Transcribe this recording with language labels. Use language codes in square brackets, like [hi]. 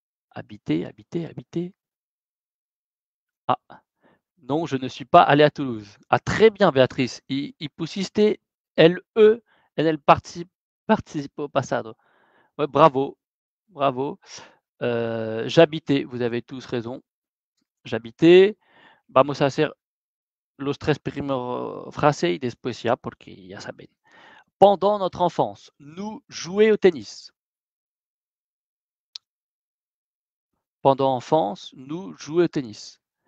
[fr] Habité. Ah, non, je ne suis pas allé à Toulouse. Ah, très bien, Béatrice. [es] Y pusiste LE en el participo pasado. [fr] Ouais, bravo. J'habitais, vous avez tous raison. J'habitais. [es] Vamos a hacer los tres primeros frases y después ya, porque ya saben. [fr] Pendant notre enfance, nous jouions au tennis. Pendant enfance, nous jouions au tennis.